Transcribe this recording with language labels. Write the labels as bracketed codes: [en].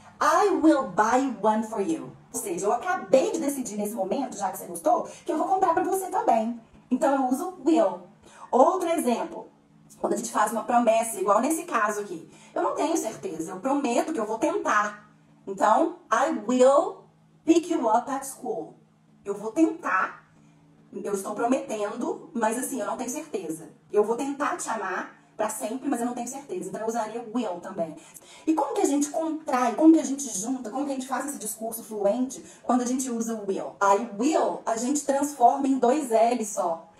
[en] I will buy one for you. [pt] Ou seja, eu acabei de decidir nesse momento, já que você gostou, que eu vou comprar para você também. Então eu uso will. Outro exemplo, quando a gente faz uma promessa, igual nesse caso aqui. Eu não tenho certeza, eu prometo que eu vou tentar. [en] Então, I will pick you up at school. [pt] Eu vou tentar, eu estou prometendo, mas assim, eu não tenho certeza. Eu vou tentar te amar para sempre, mas eu não tenho certeza. Então eu usaria will também. E como que a gente contrai, como que a gente junta, como que a gente faz esse discurso fluente quando a gente usa o will? I will, a gente transforma em dois L só.